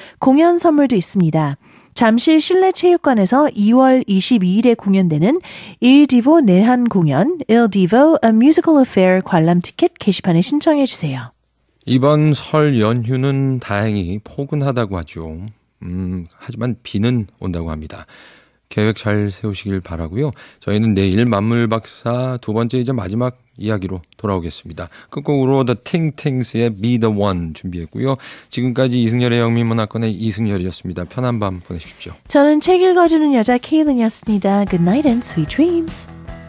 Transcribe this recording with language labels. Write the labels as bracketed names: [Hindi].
[Korean] 공연 선물도 있습니다. 잠실 실내체육관에서 2월 22일에 공연되는 Il Divo 내한 공연 Il Divo A Musical Affair 관람 티켓 게시판에 신청해 주세요. 이번 설 연휴는 다행히 포근하다고 하죠. 하지만 비는 온다고 합니다. 계획 잘 세우시길 바라고요. 저희는 내일 만물박사 두 번째이자 마지막 이야기로 돌아오겠습니다. 끝곡으로 The Ting Tings의 Be The One 준비했고요. 지금까지 이승열의 영미문학관의 이승열이었습니다. 편한 밤 보내십시오. 저는 책 읽어주는 여자 케이든이었습니다. [English] Good night and sweet dreams.